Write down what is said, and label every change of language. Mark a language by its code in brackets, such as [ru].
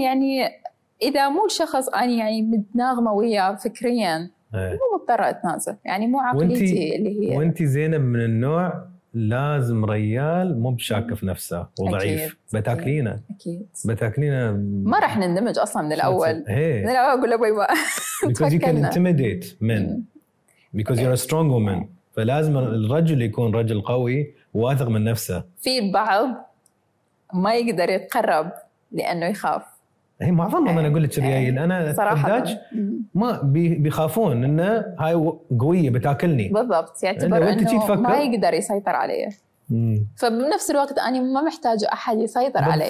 [ar] يعني إذا مو شخص أنا يعني متناغمة وياه فكريا مو مضطرة أتنازل، يعني مو عقليتي اللي هي. وأنت زينة من النوع لازم ريال مو بشاكف نفسه وضعيف بتاكلينا أكيد بتاكلينا، ما رح نندمج أصلا من الأول. من الأول أقول لأبوي [en] because you can intimidate men because you're a strong woman. [ar] فلازم الرجل يكون رجل قوي واثق من نفسه. في بعض ما يقدر يتقرب لأنه يخاف. هي ما أظن أنا أقول لك شيء، أنا الدج ما بيخافون إنه هاي قوية بتاكلني. بالضبط، يعتبر إنه ما يقدر يسيطر عليه. فبنفس الوقت أنا ما محتاج أحد يسيطر عليه.